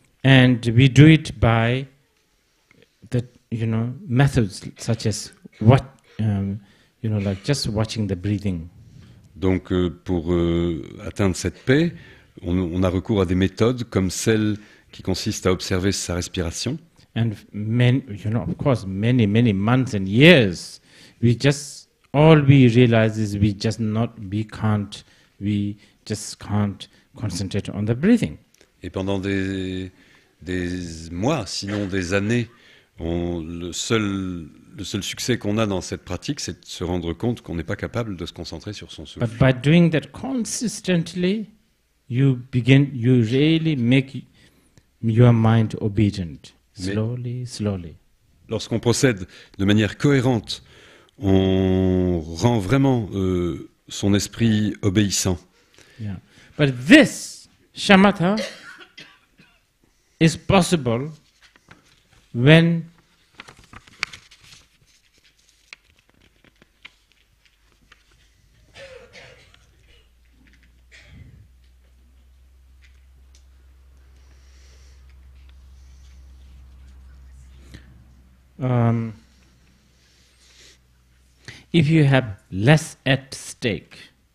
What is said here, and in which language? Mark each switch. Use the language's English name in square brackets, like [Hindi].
[English] And we do it by the, you know, methods such as what, you know, like just watching the breathing. [French] Donc, pour atteindre cette paix, on a recours à des méthodes comme celle qui consiste à observer sa respiration. [English] And many, you know, of course, many, many months and years, we just, all we realize is we just not, we just can't concentrate on the breathing. [French] Et pendant des mois, sinon des années, Le seul succès qu'on a dans cette pratique, c'est de se rendre compte qu'on n'est pas capable de se concentrer sur son souffle. [English] But by doing that consistently, you really make your mind obedient, slowly, slowly. [French] Lorsqu'on procède de manière cohérente, on rend vraiment son esprit obéissant. [English] Yeah. But this shamatha is possible when if you have less at stake.